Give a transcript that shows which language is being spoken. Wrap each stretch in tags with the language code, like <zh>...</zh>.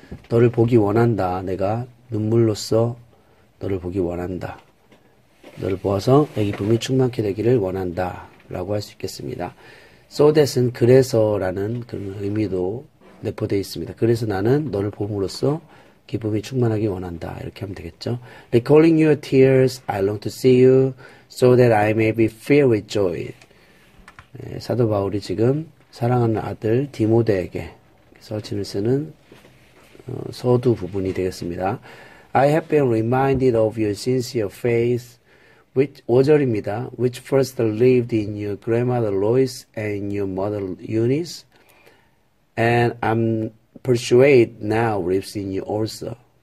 <ko>너를 보기 원한다. 내가 눈물로써 너를 보기 원한다. 너를 보아서 내 기쁨이 충만케 되기를 원한다. 라고 할수 있겠습니다. So that은 그래서라는 그런 의미도 내포되어 있습니다. 그래서 나는 너를 봄으로써 기쁨이 충만하기 원한다. 이렇게 하면 되겠죠.</ko> <en>Recalling your tears, I long to see you, so that I may be filled with joy.</en> <ko>네, 사도 바울이 지금 사랑하는 아들 디모데에게 서신을 쓰는 서두 부분이 되겠습니다.</ko> <en>I have been reminded of your sincere faith, which</en> <ko>5절입니다.</ko> <en>Which first lived in your grandmother Lois and your mother Eunice. And I'm persuaded now lives in you also.</en>